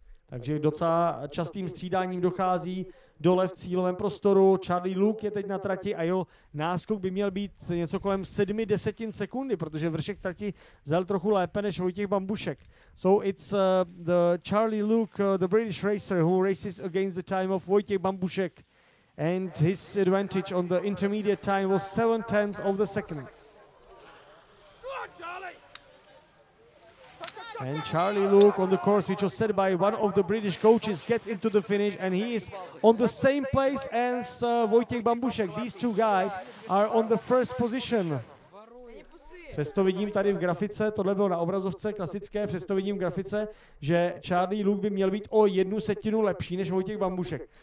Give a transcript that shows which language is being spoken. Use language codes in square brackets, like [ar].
[cs] Takže docela častým střídáním dochází dole v cílovém prostoru. Charlie Luke je teď na trati a jeho náskok by měl být něco kolem 7/10 sekundy, protože vršek trati zel trochu lépe než Vojtěch Bambušek. [en] So it's the Charlie Luke, the British racer, who races against the time of Vojtěch Bambušek and his advantage on the intermediate time was 7/10 of the second. And Charlie Luke on the course, which was set by one of the British coaches, gets into the finish and he is on the same place as Wojtek Bambušek. These two guys are on the first position. [cs] Přesto vidím tady v grafice, tohle bylo na obrazovce klasické, přesto vidím v grafice, že Charlie Luke by měl být o 1/10 lepší než Wojtek Bambušek.